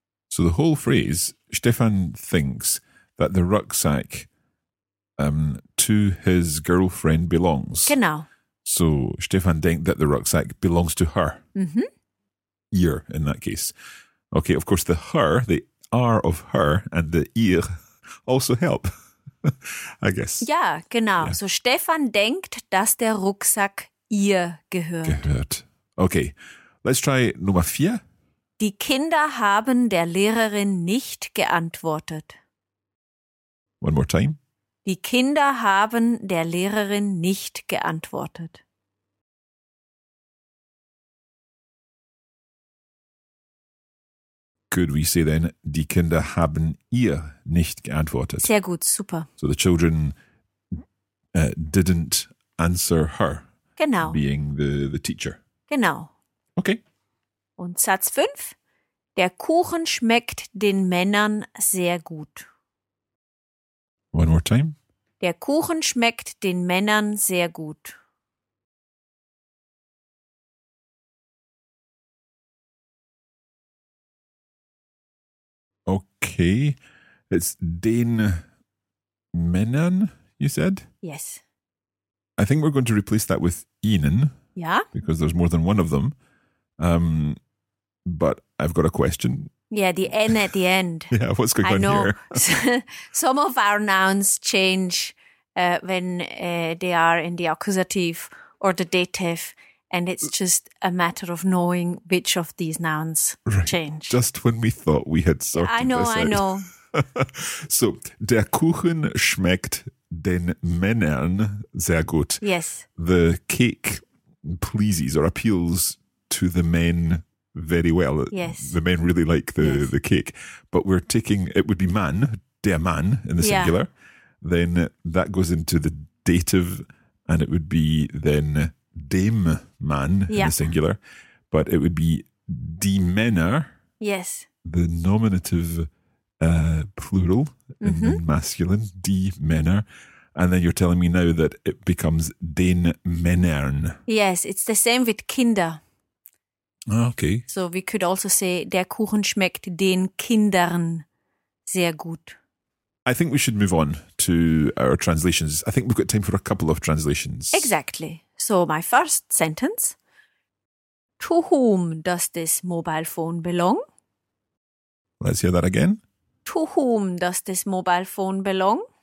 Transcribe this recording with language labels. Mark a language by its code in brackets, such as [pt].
[en] So the whole phrase, Stefan thinks that the rucksack to his girlfriend belongs. [de] Genau. [en] So [de] Stefan denkt [en] that the rucksack belongs to her. Mm-hmm. Ihr, in that case. Okay, of course, the R of her and the ihr also help, I guess. [de] Ja, genau. [en] Yeah. So [de] Stefan denkt, dass der Rucksack ihr gehört. [en] Gehört. Okay, let's try Nummer 4. [de] Die Kinder haben der Lehrerin nicht geantwortet. [en] One more time. [de] Die Kinder haben der Lehrerin nicht geantwortet. [en] Could we say then, [de] die Kinder haben ihr nicht geantwortet? Sehr gut, super. [en] So the children didn't answer her. [de] Genau. [en] Being the teacher. [de] Genau. [en] Okay. [de] Und Satz 5. Der Kuchen schmeckt den Männern sehr gut. [en] One more time. [de] Der Kuchen schmeckt den Männern sehr gut. [en] Okay, it's den Männern, you said? Yes. I think we're going to replace that with ihnen. Yeah. Because there's more than one of them. But I've got a question. Yeah, the N at the end. Yeah, what's going on here? Some of our nouns change when they are in the accusative or the dative, and it's just a matter of knowing which of these nouns change. Just when we thought we had sorted this out. I know. [de] So, der Kuchen schmeckt den Männern sehr gut. [en] Yes. The cake pleases or appeals to the men very well. Yes. The men really like the cake. But we're taking, it would be man, der Mann in the singular. Yeah. Then that goes into the dative and it would be then [de] dem Mann [en] in the singular. But it would be die Männer. Yes. The nominative plural in the masculine, [de] die Männer. [en] And then you're telling me now that it becomes [de] den Männern. [en] Yes, it's the same with Kinder. Okay. So we could also say, [de] der Kuchen schmeckt den Kindern sehr gut. [en] I think we should move on to our translations. I think we've got time for a couple of translations. Exactly. So my first sentence, to whom does this mobile phone belong? Let's hear that again. To whom does this mobile phone belong?